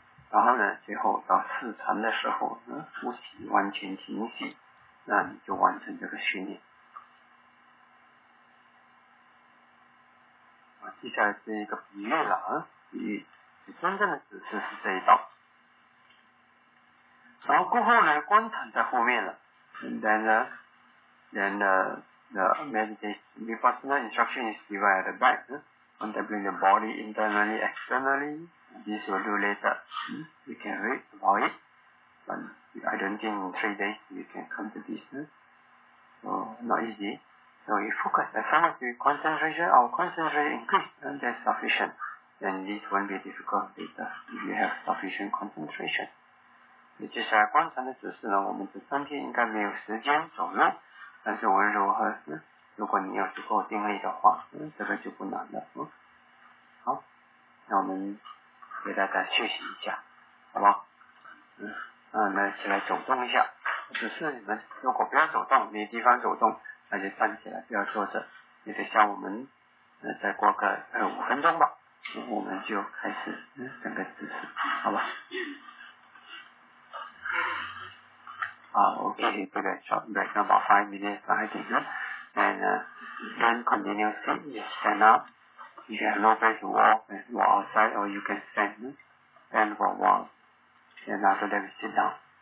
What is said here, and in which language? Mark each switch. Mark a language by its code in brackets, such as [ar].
[zh] 然后呢，最后到四禅的时候，呼吸完全停息，那你就完成这个训练。接下来是一个比喻了，比喻真正的指示是这一道。然后过后呢，观禅在后面了。 [en] And then the meditation, vipassana instruction is given at the back. Contemplating the body internally, externally, this will do later. You can read about it, but I don't think in 3 days you can come to this. So not easy. So we focus as long as we concentration, our concentration increase, and that's sufficient. Then this won't be difficult later if you have sufficient concentration. [zh] 接下来观察的指示呢，我们这3天应该没有时间走路，但是无论如何，如果你有足够定力的话，这个就不难了。好，那我们给大家休息一下，好不好？那起来走动一下。指示你们，如果不要走动，没地方走动，那就站起来，不要坐着。也得像我们，再过个5分钟吧，我们就开始整个指示，好吧？ [en] Okay, take a short break, about 5 minutes, I think, then continue to sit, you stand up, if you have no place to walk, and walk outside, or you can stand for a while, then after that, sit down.